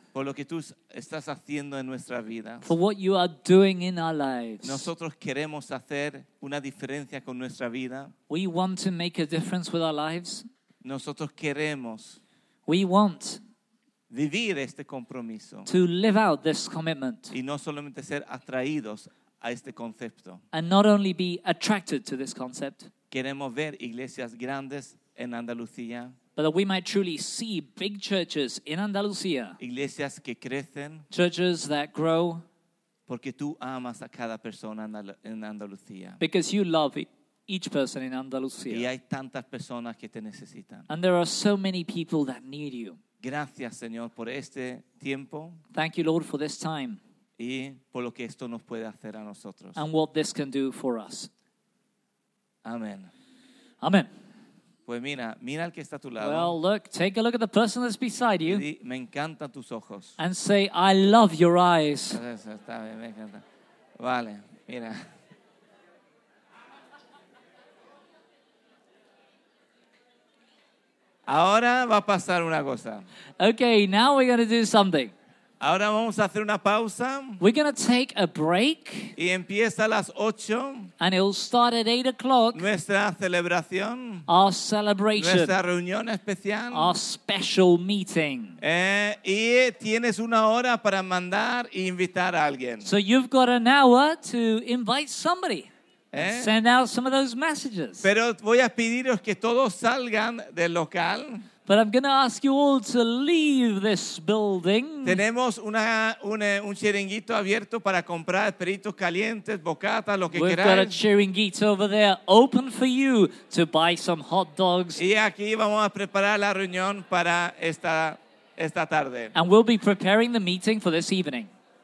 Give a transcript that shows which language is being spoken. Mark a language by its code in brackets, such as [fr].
[es] Por lo que tú estás haciendo en nuestra vida. [en] For what you are doing in our lives. [es] Nosotros queremos hacer una diferencia con nuestra vida. [en] We want to make a difference with our lives. [es] Nosotros queremos. [en] We want. [es] Vivir este compromiso. [en] To live out this commitment. [es] Y no solamente ser atraídos a este concepto. [en] And not only be attracted to this concept. [es] Queremos ver iglesias grandes en Andalucía. [en] But that we might truly see big churches in Andalucía. [es] Iglesias que crecen. [en] Churches that grow. [es] Porque tú amas a cada persona en Andalucía. [en] Because you love each person in Andalucía. [es] Y hay tantas personas que te necesitan. [en] And there are so many people that need you. [es] Gracias, Señor, por este tiempo. [en] Thank you, Lord, for this time. [es] Y por lo que esto nos puede hacer a nosotros. [en] And what this can do for us. [es] Amén. Amén. Pues mira al que está a tu lado. [en] Well, look, take a look at the person that's beside you. [es] Y me encantan tus ojos. [en] And say, I love your eyes. [es] Eso está bien, me encanta. Vale, mira. Ahora va a pasar una cosa. [en] Okay, now we're going to do something. [es] Ahora vamos a hacer una pausa. [en] We're going to take a break. [es] Y empieza a las 8. [en] And it'll start at 8 o'clock. [es] Nuestra celebración. [en] Our celebration. [es] Nuestra reunión especial. [en] Our special meeting. [es] Y tienes una hora para mandar e invitar a alguien. [en] So you've got an hour to invite somebody. Send out some of those messages. [es] Pero voy a pediros que todos salgan del local. [en] But I'm going to ask you all to leave this building. [es] Tenemos un chiringuito abierto para comprar perritos calientes, bocatas, lo que [en] We've [es] queráis. [en] We've got a chiringuito over there open for you to buy some hot dogs. [es] Y aquí vamos a preparar la reunión para esta tarde. [en] And we'll be preparing the meeting for this evening.